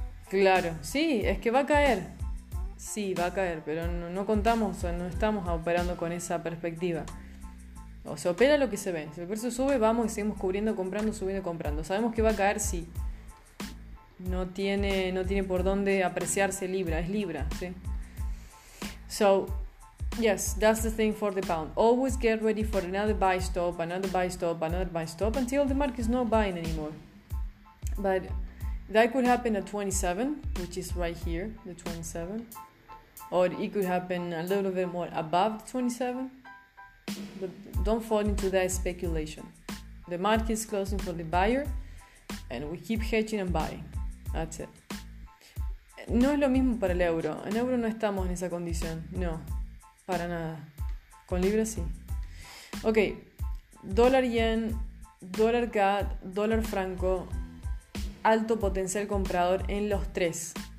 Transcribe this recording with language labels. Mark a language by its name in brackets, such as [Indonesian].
[Spanish] Claro, sí, es que va a caer. Sí, va a caer, pero no contamos, no estamos operando con esa perspectiva. O sea, opera lo que se ve. Si el precio sube, vamos y seguimos cubriendo, comprando, subiendo y comprando. Sabemos que va a caer, sí. No tiene por dónde apreciarse libra, es libra, sí. [English] So, yes, that's the thing for the pound. Always get ready for another buy stop, another buy stop, another buy stop until the market is not buying anymore. But that could happen at 27, which is right here, the 27. Or it could happen a little bit more above the 27. But don't fall into that speculation. The market is closing for the buyer and we keep hedging and buying. That's it. [Spanish] No es lo mismo para el euro. En euro no estamos en esa condición, no. Para nada. Con libra sí. Ok. Dólar yen, dólar CAD, dólar franco, alto potencial comprador en los tres.